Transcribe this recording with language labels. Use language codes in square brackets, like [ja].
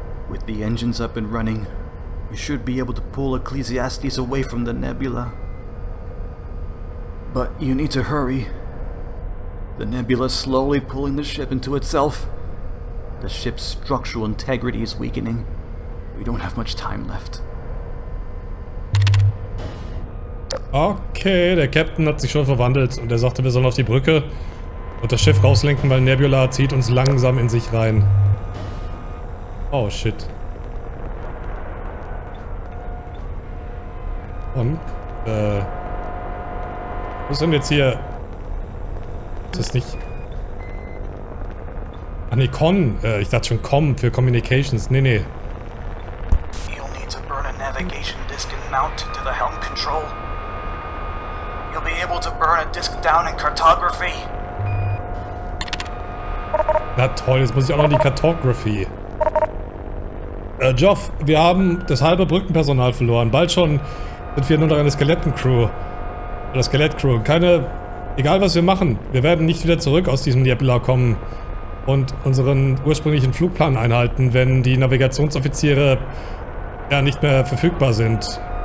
[en] With the engines up and running, you should be able to pull Ecclesiastes away from the nebula. But you need to hurry. The nebula's slowly pulling the ship into itself. The ship's structural integrity is weakening. We don't have much time left. [de] Okay, der Captain hat sich schon verwandelt und er sagte, wir sollen auf die Brücke und das Schiff rauslenken, weil Nebula zieht uns langsam in sich rein. Oh shit. Und, wo sind wir jetzt hier? Ist das nicht... Ah ne, Con. Ich dachte schon Com für Communications. Ne, ne. [en] You'll need to burn a navigation disk and mount to the helm control. You'll be able to burn a disk down in cartography. [de] Na toll, jetzt muss ich auch noch in die Cartography. Geoff, wir haben das halbe Brückenpersonal verloren. Bald schon... sind wir nur noch eine Skelettencrew. Oder Skelettcrew. Keine. Egal was wir machen, wir werden nicht wieder zurück aus diesem Nebula kommen und unseren ursprünglichen Flugplan einhalten, wenn die Navigationsoffiziere ja nicht mehr verfügbar sind.